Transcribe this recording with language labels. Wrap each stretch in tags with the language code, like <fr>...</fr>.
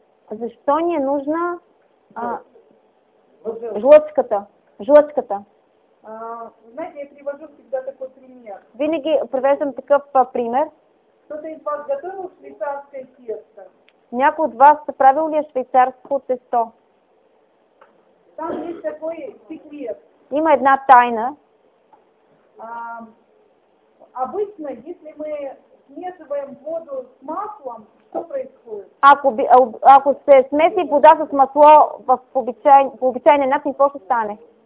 <ru>За что не нужна желчката?</ru> <bg>Желчката.</bg> <ru>Знаете, я привожу всегда такой пример.</ru> <bg>Винаги привеждам такъв пример.</bg> <ru>Кто-то из вас готовил швейцарское тесто?</ru> <bg>Някой от вас правил ли швейцарско тесто?</bg> <ru>Там есть такой секрет.</ru> <bg>Има една тайна.</bg> <ru>Обычно, если мы смешиваем воду с маслом, что происходит?</ru> <bg>Ако се смеси вода с масло по обичайния начин, какво ще стане?</bg>